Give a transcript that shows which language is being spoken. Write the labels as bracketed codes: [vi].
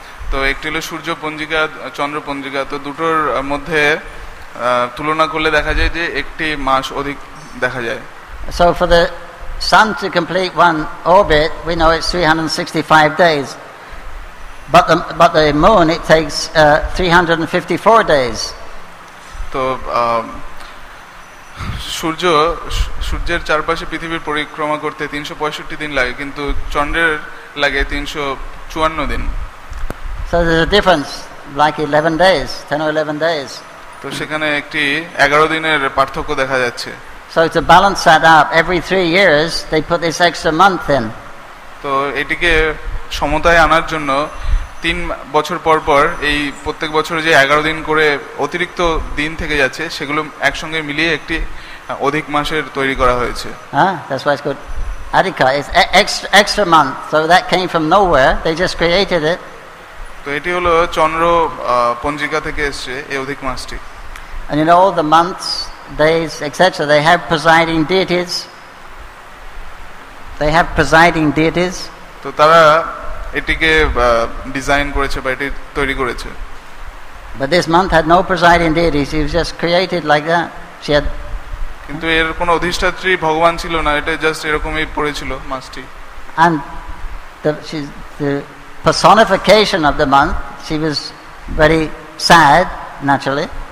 [bn] তো একটি হলো সূর্য পঞ্জিকা, চন্দ্র পঞ্জিকা। তো দুটোর মধ্যে তুলনা করলে দেখা যায় যে একটি মাস অধিক দেখা যায়। [en] So for the sun to complete one orbit, we know it's 365 days. But the moon, it takes 354 days. [bn] So, সূর্য সূর্যের চারপাশে পৃথিবীর পরিক্রমা করতে 365 দিন লাগে কিন্তু চন্দ্রের লাগে 354 দিন. [en] So there's a difference, like 11 days, 10 or 11 days. [bn] তো সেখানে একটি 11 দিনের পার্থক্য দেখা যাচ্ছে. [en] So it's a balance set up. Every 3 years, they put this extra month in. [bn] তো এটিকে সমতায় আনার জন্য 3 বছর পর পর এই প্রত্যেক বছরে যে 11 দিন করে অতিরিক্ত দিন থেকে যাচ্ছে সেগুলো একসঙ্গে মিলিয়ে একটি অধিক মাসের তৈরি করা হয়েছে. [en] হ্যাঁ, that's why it's good. Adhika is extra month, so that came from nowhere. They just created it. [bn] তো এটি হলো চন্দ্র পঞ্জিকা থেকে এসেছে এই অধিক মাসটি. [en] And you know, all the months, days, etc., they have presiding deities. They have presiding deities. [bn] তো তারা এটিকে ডিজাইন করেছে বা এটি তৈরি করেছে. [en] But this month had no presiding deity. She was just created like that. She had. [bn] কিন্তু এর কোনো অধিষ্ঠাত্রী ভগবান ছিল না. এটা জাস্ট এরকমই পড়েছিল মাসটি. [en] And the personification of the month, she was very sad, naturally.